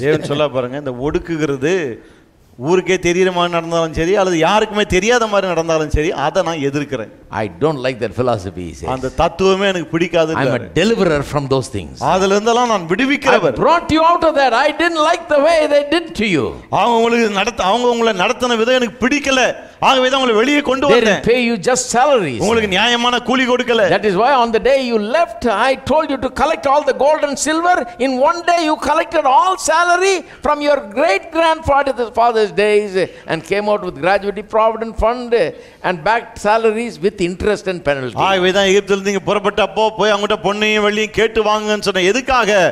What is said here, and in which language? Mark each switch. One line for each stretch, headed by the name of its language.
Tamil: தேவன் சொல்ல பாருங்க இந்த ஒடுக்குகிறது ஊருக்கே தெரியற மாதிரி நடந்தாலும் சரி அல்லது யாருக்குமே தெரியாத மாதிரி நடந்தாலும் சரி அதை நான் எதிர்க்கிறேன்.
English: I don't like that philosophy. He says
Tamil: அந்த தத்துவமே எனக்கு பிடிக்காது.
English: I'm a deliverer from those things.
Tamil: அதல இருந்தெல்லாம் நான் விடுவிக்கிறவர்.
English: I brought you out of that. I didn't like the way they did to you.
Tamil: அவங்களை நடத்தின விதம் எனக்கு பிடிக்கல. ஆகவே அவங்களை வெளியே கொண்டு வந்தேன்.
English: They pay you just salaries.
Tamil: உங்களுக்கு நியாயமான கூலி கொடுக்கல.
English: That is why on the day you left I told you to collect all the gold and silver. In one day you collected all salary from your great grandfather's days and came out with gratuity provident fund and backed salaries with interest and penalty.
Tamil: ஆய் வேதா எகிப்தில நீங்க புறப்பட்டப்போ போய் அவங்க கிட்ட பொன்னையும் வெள்ளியையும் கேட்டு வாங்குன்னு சொன்ன எதுக்காக?